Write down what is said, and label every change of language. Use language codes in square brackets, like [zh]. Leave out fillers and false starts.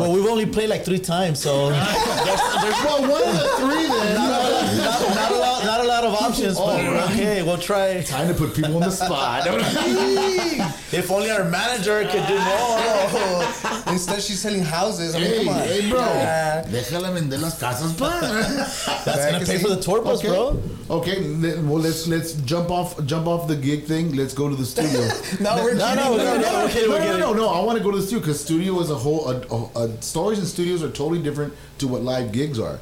[en] Well, we've only played like three times, so there's well, one of the three. Then not a lot of options. But right. Okay, we'll try. Time to put people on the spot. If only our manager could do more. Instead, she's selling houses. I mean, hey, come on. Hey, bro. [es] Déjala vender las casas, [en] that's going to pay for the tour bus, bro. Okay. Well, let's jump off the gig thing. Let's go to the studio. No, I want to go to the studio because studio is a whole... stories in studios are totally different to what live gigs are.